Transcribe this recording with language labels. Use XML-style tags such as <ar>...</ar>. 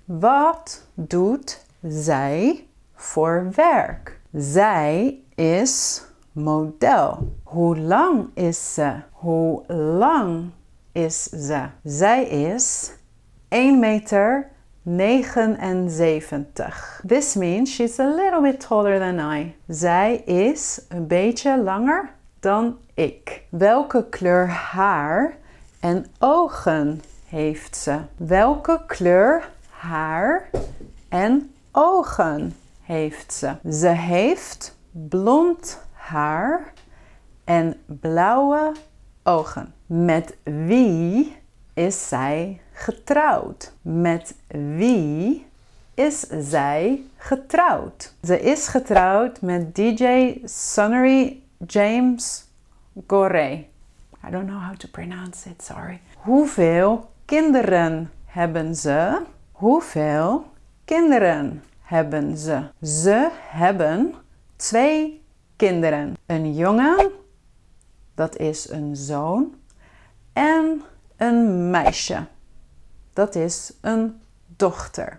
<nl>Wat doet zij voor werk? Zij is model. Hoe lang is ze? Hoe lang is ze? Zij is 1 meter 79.</nl> <en>This means she's a little bit taller than I.</en> <nl>Zij is een beetje langer dan ik. Welke kleur haar en ogen heeft ze? Welke kleur haar en ogen heeft ze? Ze heeft blond haar en blauwe ogen. Met wie is zij getrouwd? Met wie is zij getrouwd? Ze is getrouwd met DJ Sonnery James Gore.</nl> <en>I don't know how to pronounce it, sorry.</en> <nl>Hoeveel kinderen hebben ze? Hoeveel kinderen hebben ze? Ze hebben 2 kinderen. Een jongen, dat is een zoon. En een meisje, dat is een dochter.</nl>